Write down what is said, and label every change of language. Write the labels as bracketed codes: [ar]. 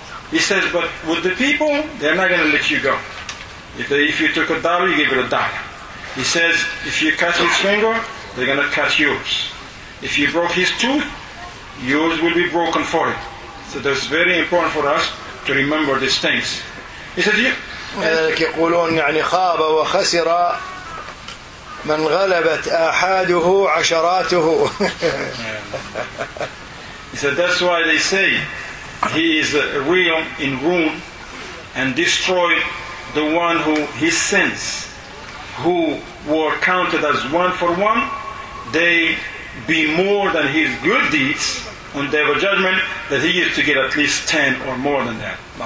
[en] He says, but with the people, they're not going to let you go. If you took a dollar, you give it a dollar. He says, if you cut his finger, they're going to cut yours. If you broke his tooth, yours will be broken for it. So that's very important for us to remember these things. He said, [ar] لذلك يقولون يعني خاب وخسر من غلبت آحاده عشراته. [en] He said, that's why they say he is realm in ruin and destroyed the one who his sins, who were counted as one for one, they be more than his good deeds on the day of judgment, that he used to get at least 10 or more than that.